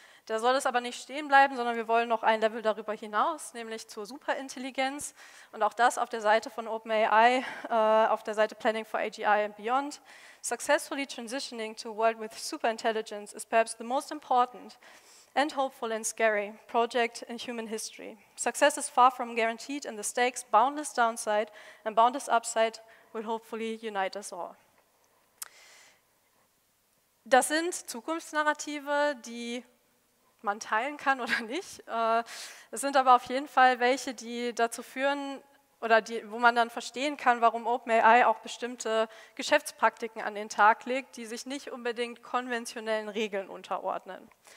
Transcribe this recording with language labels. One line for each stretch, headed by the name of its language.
German: Da soll es aber nicht stehen bleiben, sondern wir wollen noch ein Level darüber hinaus, nämlich zur Superintelligenz. Und auch das auf der Seite von OpenAI, auf der Seite Planning for AGI and Beyond.
English: Successfully transitioning to a world with superintelligence is perhaps the most important and hopeful and scary project in human history. Success is far from guaranteed and the stakes, boundless downside and boundless upside will hopefully unite us all.
German: Das sind Zukunftsnarrative, die man teilen kann oder nicht. Es sind aber auf jeden Fall welche, die dazu führen oder die, wo man dann verstehen kann, warum OpenAI auch bestimmte Geschäftspraktiken an den Tag legt, die sich nicht unbedingt konventionellen Regeln unterordnen.